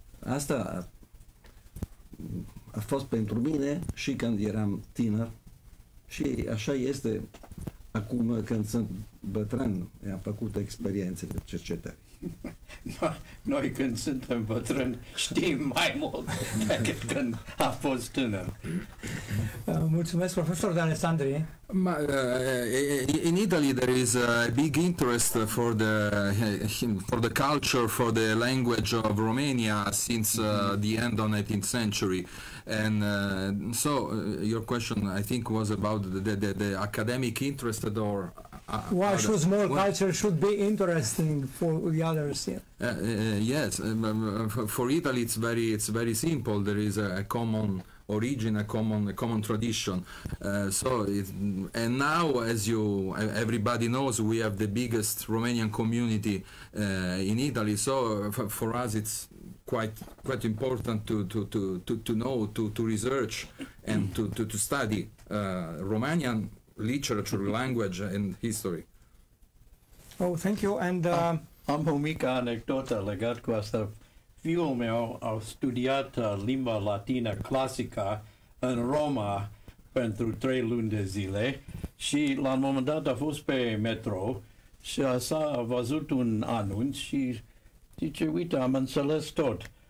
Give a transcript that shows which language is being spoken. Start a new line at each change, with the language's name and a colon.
Romanian: Asta a fost pentru mine și când eram tânăr și așa este acum când sunt bătrân, am făcut experiențe de cercetări. Noi când suntem bătrâni știm mai mult decât când a fost tânăr. Mulțumesc, profesor De Alessandri.
English: In Italy there is a big interest for the culture, for the language of Romania since the end of the 19th century. And so your question, I think, was about the academic interest or why should small culture should be interesting for the others? Yeah. Yes, for Italy it's very simple. There is a common origin, a common tradition. So now, as you everybody knows, we have the biggest Romanian community in Italy. So for us it's quite important to know, to research and to study Romanian literature, language and history. Oh, thank you. And
Romanian: am o mică anecdotă legat cu asta. Fiul meu a studiat limba latină clasică în Roma pentru 3 luni de zile și la un moment dat a fost pe metro și a văzut un anunț și zice, uite, am înțeles tot.